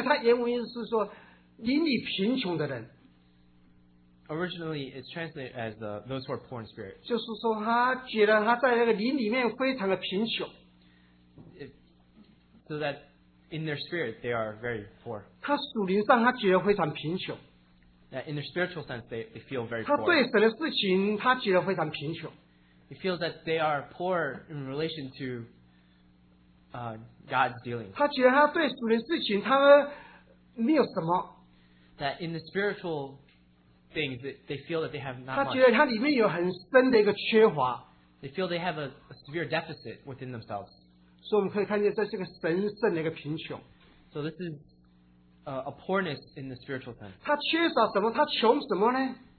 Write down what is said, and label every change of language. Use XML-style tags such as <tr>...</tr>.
<zh>这个虚心呢，它原文意思是说，邻里贫穷的人。</zh> <en>Originally, it's translated as those who are poor in spirit.</en> <zh>就是说，他觉得他在那个邻里面非常的贫穷。</zh> <en>So that in their spirit, they are very poor.</en> <zh>他属灵上，他觉得非常贫穷。</zh> <en>That in their spiritual sense, they feel very poor.</en> <zh>他对神的事情，他觉得非常贫穷。</zh> <en>He feels that they are poor in relation to God's dealing.</en> <zh>他觉得他对属灵事情，他没有什么。</zh> <en>That in the spiritual things that they feel that they have not much. They feel they have a severe deficit within themselves. So this is a poorness in the spiritual sense.</en>